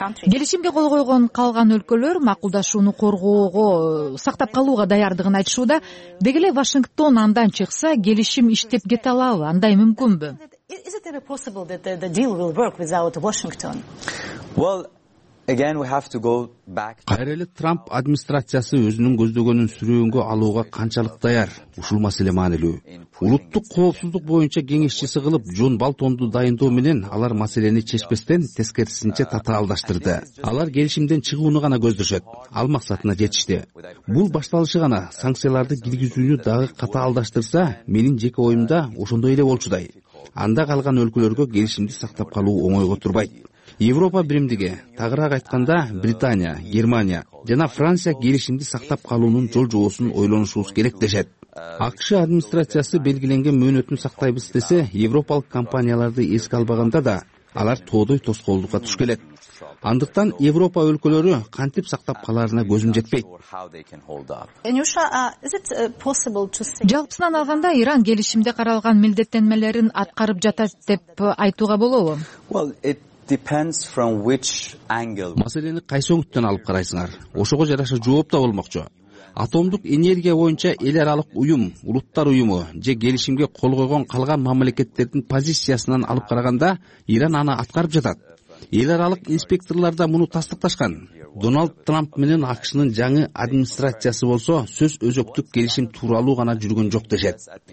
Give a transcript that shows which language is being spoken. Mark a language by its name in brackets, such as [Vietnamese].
[Kyrgyz] Келишимге кол койгон калган өлкөлөр макулдашууну коргоого, сактап калууга даярдыгын айтышууда. Деги эле Вашингтон андан чыкса, келишим иштеп кете алабы, андай мүмкүнбү? [English] Is it possible that the deal will work without Washington? Well, again we have to go back. [Kyrgyz] Кайра эле Трамп администрациясы өзүнүн көздөгөнүн сүрөөгө алууга канчалык даяр? Ушул маселе маанилүү. Улуттук коопсуздук боюнча кеңешчиси кылып Джон Болтонду дайындоо менен алар маселени чечпестен тескерисинче татаалдаштырды. Алар келишимден чыгууну гана көздөшөт. Ал максатына жетишти. Бул башталышы гана санкцияларды киргизүүнү дагы катаалдаштырса, менин жеке оюмда ошондой эле болчудай. Анда калган өлкөлөргө келишимди сактап калуу оңойго турбайт. Европа биримдиги, тагыраак айтканда Британия, Германия жана Франция келишимди сактап калуунун жол жоосун ойлонушубуз керек дешет. АКШ администрациясы белгиленген мөөнөтүн сактайбыз десе, европалык компанияларды эске албаганда да алар тоодой тоскоолдукка туш келет. Андыктан Европа өлкөлөрү кантип сактап каларына көзүм жетпейт. Жалпысынан алганда Иран келишимде каралган милдеттенмелерин аткарып жатат деп айтууга болобу? [English] Depends from which angle. [Kyrgyz] Маселени кайсы өңүттөн алып карайсыңар? Ошого жараша жооп да болмокчу. Атомдук энергия боюнча эл аралык уюм, улуттар уюму же келишимге кол койгон калган мамлекеттердин позициясынан алып караганда, Иран аны аткарып жатат. Эл аралык инспекторлор да муну тастыкташкан. Дональд Трамп менен АКШнын жаңы администрациясы болсо, сөз өзөктүк келишим тууралуу гана жүргөн жок дешет.